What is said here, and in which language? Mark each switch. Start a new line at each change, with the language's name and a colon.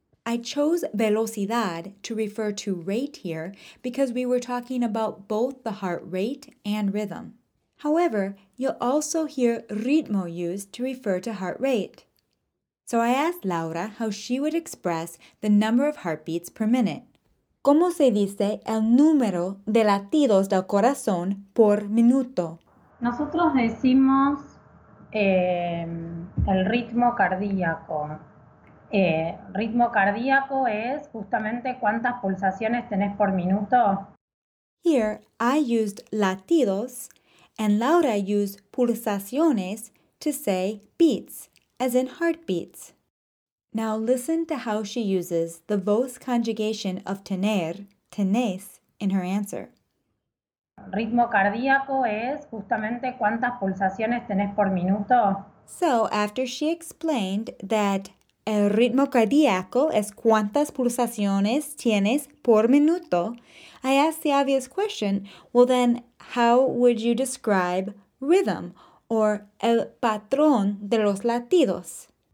English: I chose velocidad to refer to rate here because we were talking about both the heart rate and rhythm. However, you'll also hear ritmo used to refer to heart rate. So I asked Laura how she would express the number of heartbeats per minute.
Spanish: ¿Cómo se dice el número de latidos del corazón por minuto? Nosotros decimos el ritmo cardíaco. Ritmo cardíaco es justamente cuántas pulsaciones tenés por minuto.
English: Here I used latidos and Laura used pulsaciones to say beats, as in heartbeats. Now listen to how she uses the vos conjugation of tener, tenés, in her answer.
Spanish: Ritmo cardíaco es justamente cuántas pulsaciones tenés por minuto.
English: So, after she explained that
Spanish: el ritmo cardíaco es cuántas pulsaciones tienes por minuto,
English: I asked the obvious question, well then, how would you describe rhythm or
Spanish: el patrón de los latidos?